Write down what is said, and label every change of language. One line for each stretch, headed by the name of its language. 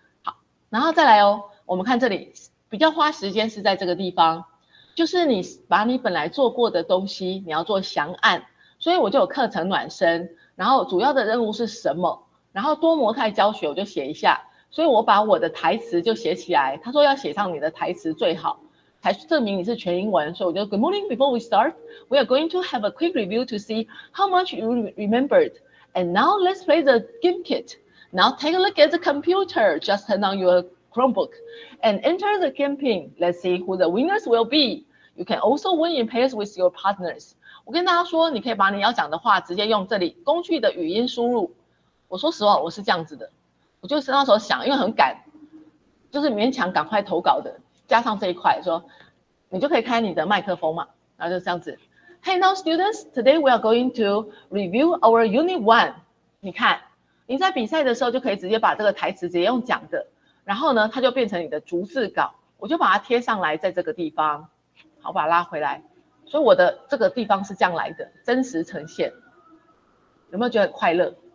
Chinese: 好，然后再来哦，我们看这里比较花时间是在这个地方，就是你把你本来做过的东西你要做详案，所以我就有课程暖身，然后主要的任务是什么，然后多模态教学我就写一下，所以我把我的台词就写起来，他说要写上你的台词最好才证明你是全英文，所以我就
English: Good morning, before we start, we are going to have a quick review to see how much you remembered. And now let's play the game kit. Now take a look at the computer, just turn on your Chromebook, and enter the campaign. Let's see who the winners will be. You can also win in pairs with your partners.
Chinese: 我跟大家说，你可以把你要讲的话直接用这里工具的语音输入。我说实话，我是这样子的，我就是那时候想，因为很赶，就是勉强赶快投稿的。加上这一块说你就可以开你的麦克风嘛，然后就这样子。
English: Hey now students, today we are going to review our unit one.
Chinese: 你看你在比赛的时候就可以直接把这个台词直接用讲的，然后呢它就变成你的逐字稿，我就把它贴上来在这个地方，好，把它拉回来，所以我的这个地方是这样来的，真实呈现，有没有觉得很快乐？